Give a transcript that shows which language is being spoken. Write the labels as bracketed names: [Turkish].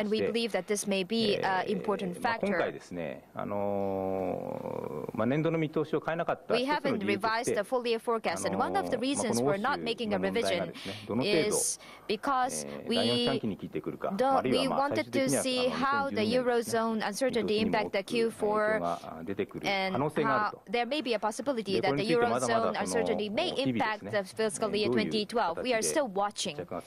[English] and we believe that this may be an important factor. [Japanese] 今回ですね、年度の見通しを変えなかった、 [English] we haven't revised the full year forecast, and one of the reasons we're not making a revision is because we don't, we wanted to see how the eurozone uncertainty impact the Q4, and how there may be a possibility that the eurozone uncertainty may impact the fiscal year 2012. We are still watching.